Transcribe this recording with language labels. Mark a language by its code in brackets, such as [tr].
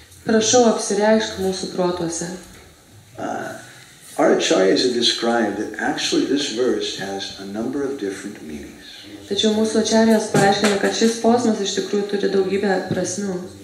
[lt] Prašau, apsireišk mūsų protuose. [en] Our acharyas have described that actually this verse has a number of different meanings. [lt] Tačiau mūsų ačiarijos paaiškina, kad šis posmas iš tikrųjų turi daugybę prasmių.